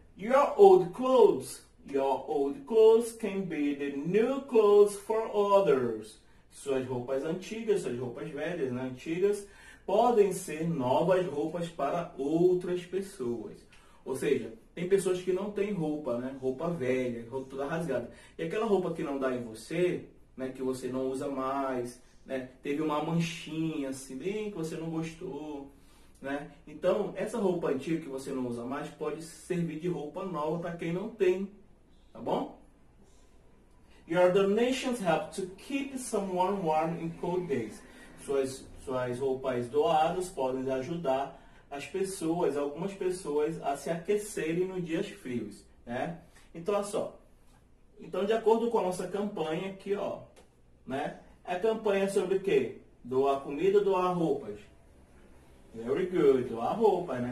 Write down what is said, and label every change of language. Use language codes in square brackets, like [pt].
[en] Your old clothes can be the new clothes for others. [pt] Suas roupas antigas, suas roupas velhas, né? Antigas, podem ser novas roupas para outras pessoas. Ou seja, tem pessoas que não têm roupa, né? Roupa velha, roupa toda rasgada. E aquela roupa que não dá em você, né? Que você não usa mais, né? Teve uma manchinha assim, bem que você não gostou, né? Então, essa roupa antiga que você não usa mais pode servir de roupa nova para quem não tem, tá bom? [en] Your donations help to keep someone warm in cold days. [pt] Suas roupas doadas podem ajudar as pessoas, algumas pessoas, a se aquecerem nos dias frios, né? Então, olha só. Então, de acordo com a nossa campanha aqui, ó, né? É campanha sobre o quê? Doar comida ou doar roupas? [en] Very good. [pt] Doar roupas, né?